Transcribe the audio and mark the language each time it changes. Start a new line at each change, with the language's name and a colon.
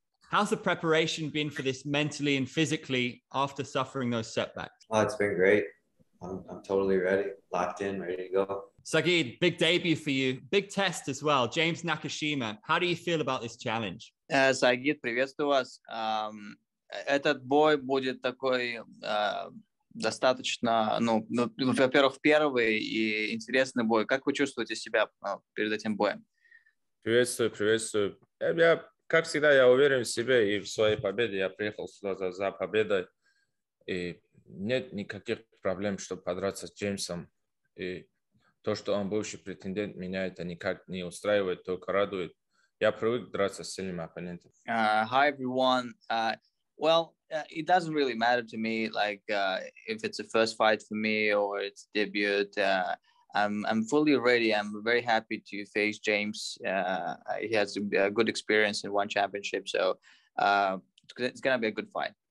English: How's the preparation been for this mentally and physically after suffering those setbacks? Oh, it's been great. I'm totally ready, locked in, ready to go. Saygid, big debut for you. Big test as well. James Nakashima, how do you feel about this challenge?
Russian: Saygid, приветствую вас. Этот бой будет такой достаточно, ну, во-первых, первый и интересный бой. Как вы чувствуете себя перед этим боем? Приветствую. Я, как всегда, я уверен в себе и в своей победе. Я приехал сюда за победой. И нет никаких проблем, чтобы подраться с Джеймсом. И то, что он бывший претендент, меня это никак не устраивает, только радует. Я привык драться с сильными оппонентами.
English: Hi, everyone. It doesn't really matter to me, like, if it's a first fight for me or it's debut. I'm fully ready. I'm very happy to face James. He has a good experience in one championship, so it's going to be a good fight.